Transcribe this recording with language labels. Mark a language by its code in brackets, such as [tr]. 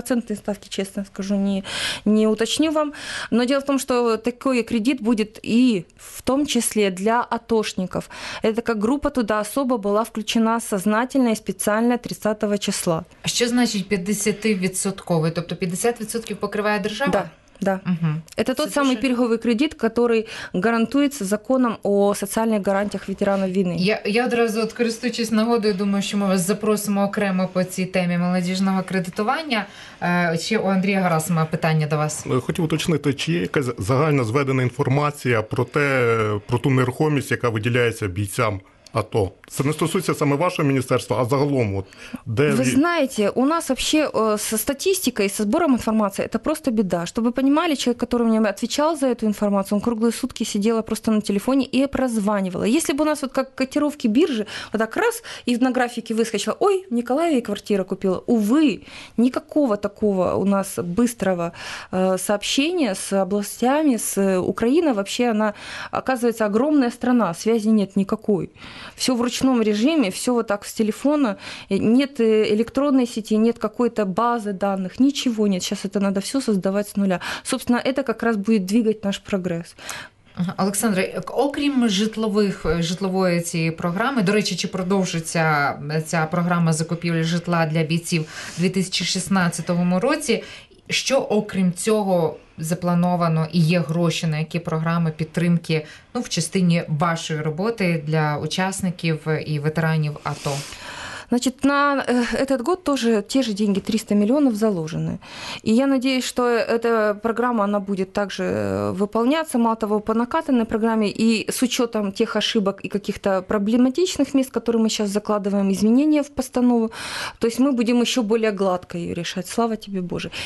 [ru] Процентные ставки, честно скажу, не уточню вам. Но дело в том, что такой кредит будет и в том числе для атошников. Это как группа туда особо была включена сознательно и специально 30 числа. А что значит [uk] 50-відсотково? Тобто 50% покриває держава? [ru] Да. Да. Угу. Это тот самый пільговий кредит, который гарантується законом о [uk] соціальних гарантіях ветеранів війни. Я одразу, от, користуючись нагодою, думаю, що ми вас запросимо окремо по цій темі молодіжного кредитування. Ще у Андрія Гарасима питання до вас. Хотів уточнити, чи є якась загально зведена інформація про ту нерухомість, яка виділяється бійцям АТО? Це не стосується саме вашого міністерства, а загалом. От, де... Ви знаєте, у нас взагалі з статистикою, зі збором інформації, це просто біда. Щоб ви розуміли, чоловік, який мені відповідав за цю інформацію, він круглі сутки сидів просто на телефоні і прозванювала. Якщо б у нас, от, як котировки біржі, от так раз, і на графіки вискочила, ой, в Ніколаєві квартира купила. Уви, ніякого такого у нас швидкого сообщення з областями, з Україною, взагалі, вона, оказується, огромна країна, зв'язі нет ніякої. [ru] Все в ручном режиме, все вот так с телефона, нет электронной сети, нет какой-то базы данных, ничего нет. Сейчас это надо все создавать с нуля. Собственно, это как раз будет двигать наш прогресс. [uk] Олександре, окрім житлової цієї програми, до речі, чи продовжиться ця програма закупівлі житла для бійців у 2016 році, що окрім цього заплановано і є гроші на які програми підтримки, ну, в частині вашої роботи для учасників і ветеранів АТО? [ru] Значит, на этот год тоже те же деньги, 300 миллионов, заложены. И я надеюсь, что эта программа, она будет также выполняться, мало того, по накатанной программе, и с учетом тех ошибок и каких-то проблематичных мест, которые мы сейчас закладываем, изменения в постанову, то есть мы будем еще более гладко ее решать. Слава тебе, Боже.